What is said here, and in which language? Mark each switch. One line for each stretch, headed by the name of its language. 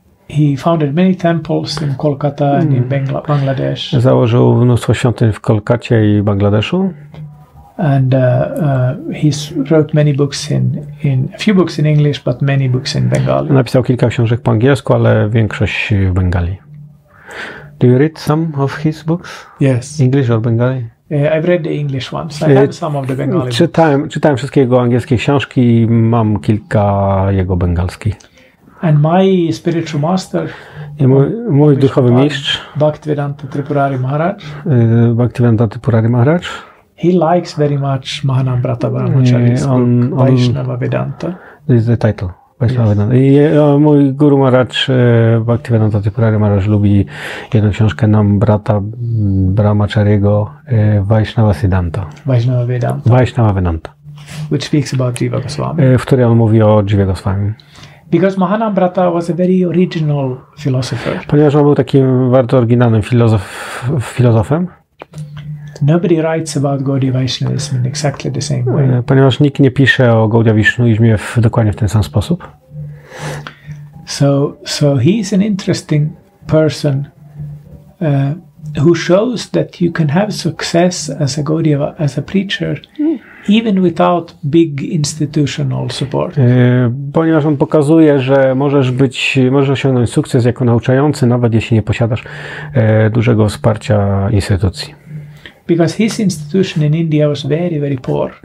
English: He founded many temples in Kolkata and in Bangladesh.
Polish: Założył mnóstwo świątyń w Kolkacie i Bangladeszu.
English: And he's wrote many books in a few books in English, but many books in Bengali.
Polish: Napisał kilka książek po angielsku, ale większość w Bengali.
English: Do you read some of his books? Yes. English or Bengali? I've read the English ones. I have some of the Bengali books.
Polish: Czytałem wszystkie jego angielskie książki i mam kilka jego bengalskich.
English: And my spiritual master,
Polish: mój duchowy mistrz,
English: Bhaktivedanta Tripurari Maharaj.
Polish: Bhaktivedanta Tripurari Maharaj.
English: He likes very much Mahanamrata Brahmacharya's book, Vaishnava Vedanta. This is the title, Vaishnava Vedanta.
Polish: I mój guru Maharaj, Bhaktivedanta Tripurari Maharaj, lubi jedną książkę nam brata Brahmachariego, Vaishnava Siddhanta.
English: Vaishnava Vedanta.
Polish: Vaishnava Vedanta.
English: Which speaks about Jiva Goswami.
Polish: W której on mówi o Jiva Goswami.
English: Because Mahanamrata was a very original philosopher.
Polish: Ponieważ on był takim bardzo oryginalnym filozofem.
English: Nobody writes about Gaudiya Vaishnavism in exactly the same way.
Polish: Ponieważ nikt nie pisze o Gaudiya Vaishnavizmie dokładnie w ten sam sposób.
English: So he is an interesting person who shows that you can have success as a Gaudiya as a preacher even without big institutional support.
Polish: Ponieważ on pokazuje, że możesz osiągnąć sukces jako nauczający, nawet jeśli nie posiadasz dużego wsparcia instytucji.
English: Because his institution in India was very, very poor.